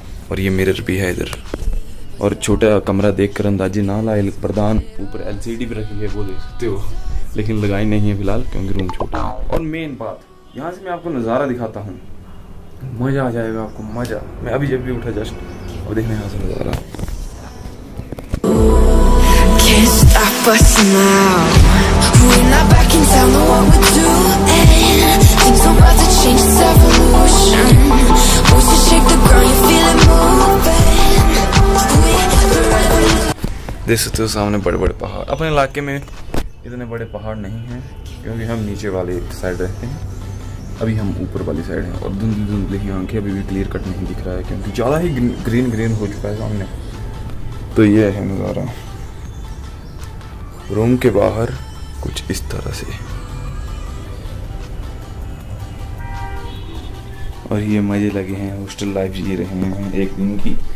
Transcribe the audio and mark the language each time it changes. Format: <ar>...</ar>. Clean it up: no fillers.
<hi>और ये मिरर भी है इधर, और छोटा कमरा देखकर अंदाजे ना लाए प्रधान। ऊपर LCD भी रखी है वो देख सकते हो, लेकिन लगाई नहीं है फिलहाल क्योंकि रूम छोटा है। और मेन बात, यहाँ से मैं आपको नज़ारा दिखाता हूँ, मज़ा आ जाएगा आपको, मज़ा। मैं अभी जब भी उठा जस्ट और देखना यहाँ से नज़ारा।</hi> <en>Stop us now. We're not backing down on what we're doing. Things don't about to change, it's evolution. Once you shake the ground, you feel it moving. We have the revolution.</en> <hi>देखो सामने बड़े बड़े पहाड़। अपने इलाके में इतने बड़े पहाड़ नहीं हैं क्योंकि हम नीचे वाली साइड रहते हैं, अभी हम ऊपर वाली साइड हैं। और धुंधली धुंधली ही आंखें, अभी भी क्लियर कट नहीं दिख रहा है क्योंकि ज़्यादा ही ग्रीन ग्रीन हो चुका है सामने। तो ये है नज़ारा रूम के बाहर कुछ इस तरह से, और ये मजे लगे हैं हॉस्टल लाइफ जी रहे हैं एक दिन की।</hi>